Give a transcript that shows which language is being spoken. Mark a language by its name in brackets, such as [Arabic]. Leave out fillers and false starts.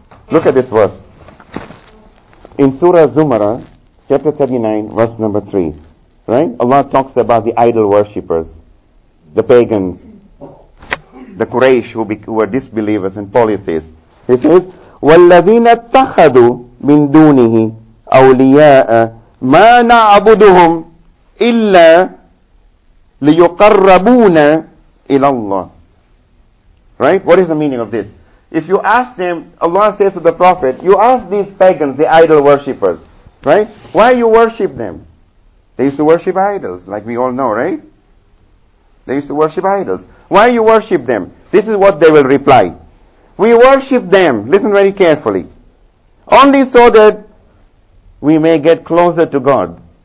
[English] Look at this verse. In Surah Zumarah, chapter 39, verse number 3. Right? Allah talks about the idol worshippers, the pagans, the Quraysh who were disbelievers and polytheists. He says, [Arabic] وَالَّذِينَ اتَّخَذُوا مِن دُونِهِ أَوْلِيَاءَ مَا نَعْبُدُهُمْ إِلَّا لِيُقَرَّبُونَ إِلَى اللَّهِ. [English] Right? What is the meaning of this? If you ask them, Allah says to the Prophet, you ask these pagans, the idol worshippers, right? Why you worship them? They used to worship idols, like we all know, right? They used to worship idols. Why you worship them? This is what they will reply. We worship them, listen very carefully, only so that we may get closer to God.